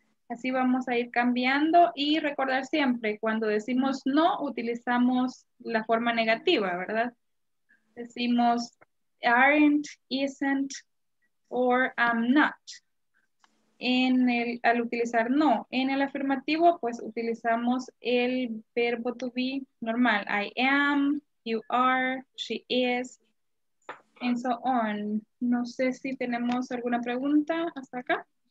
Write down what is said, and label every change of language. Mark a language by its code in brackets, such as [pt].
[es] Así vamos a ir cambiando y recordar siempre, cuando decimos no, utilizamos la forma negativa, ¿verdad? Decimos [en] aren't, isn't, or I'm not. [es] En el, al utilizar no, en el afirmativo, pues utilizamos el verbo to be normal. [en] I am, you are, she is, and so on. [es] No sé si tenemos alguna pregunta hasta acá.